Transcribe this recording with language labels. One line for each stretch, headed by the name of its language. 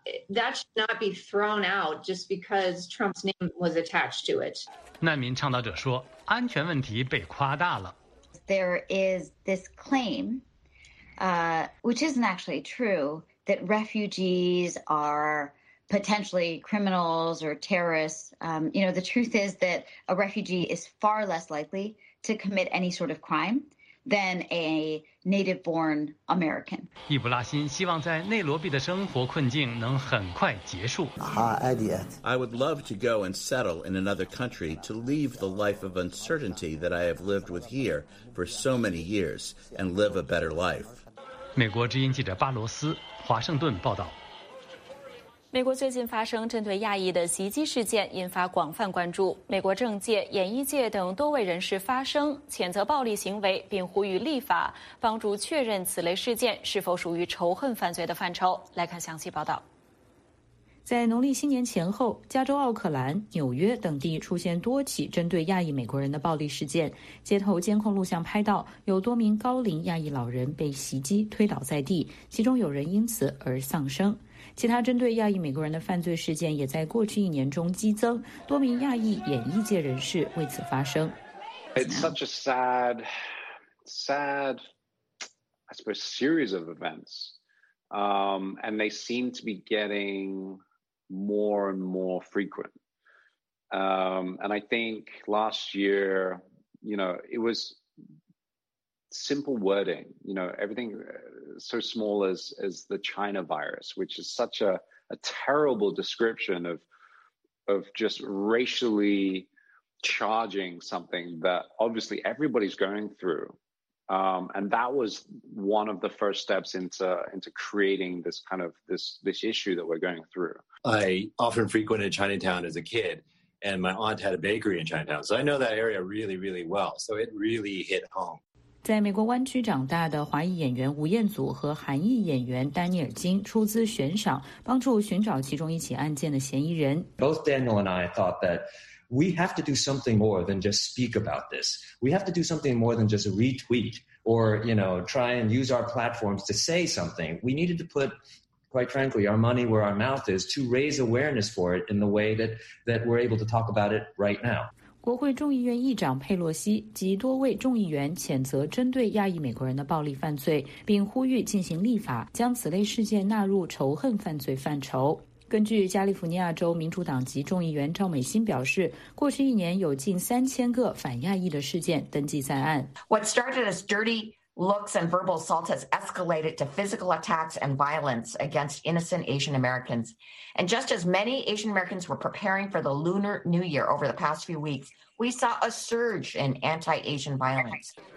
English: That should not be thrown out just because Trump's name was attached to it.
Chinese: 难民倡导者说，安全问题被夸大了。
English: There is this claim, which isn't actually true, that refugees are potentially criminals or terrorists. The truth is that a refugee is far less likely to commit any sort of crime. than a native-born American.
Chinese: 伊布拉辛希望在内罗毕的生活困境能很快结束。
English: I would love to go and settle in another country to leave the life of uncertainty that I have lived with here for so many years and live a better life.
Chinese: 美国之音记者巴罗斯，华盛顿报道。美国最近发生针对亚裔的袭击事件引发广泛关注，美国政界、演艺界等多位人士发声谴责暴力行为，并呼吁立法帮助确认此类事件是否属于仇恨犯罪的范畴。来看详细报道。在农历新年前后，加州奥克兰、纽约等地出现多起针对亚裔美国人的暴力事件，街头监控录像拍到有多名高龄亚裔老人被袭击推倒在地，其中有人因此而丧生。其他针对亚裔美国人的犯罪事件也在过去一年中激增，多名亚裔演艺界人士为此发声。
English: It's such a sad, sad, I suppose, series of events, and they seem to be getting more and more frequent. And I think last year, you know, it was simple wording, you know, everything so small as the China virus, which is such a terrible description of just racially charging something that obviously everybody's going through. And that was one of the first steps into creating this kind of this issue that we're going through. I often frequented Chinatown as a kid, and my aunt had a bakery in Chinatown. So I know that area really, really well. So it really hit home.
Chinese: 在美国湾区长大的华裔演员吴彦祖和韩裔演员丹尼尔金出资悬赏，帮助寻找其中一起案件的嫌疑人。
English: Both Daniel and I thought that we have to do something more than just speak about this. We have to do something more than just retweet or, you know, try and use our platforms to say something. We needed to put, quite frankly, our money where our mouth is to raise awareness for it in the way that we're able to talk about it right now.
Chinese: 国会众议院议长佩洛西及多位众议员谴责针对亚裔美国人的暴力犯罪，并呼吁进行立法，将此类事件纳入仇恨犯罪范畴。根据加利福尼亚州民主党籍众议员赵美心表示，过去一年有近3000个反亚裔的事件登记在案。
English: What started as dirty looks and verbal assault has escalated to physical attacks and violence against innocent Asian Americans. And just as many Asian Americans were preparing for the Lunar New Year over the past few weeks, we saw a surge in anti-Asian violence.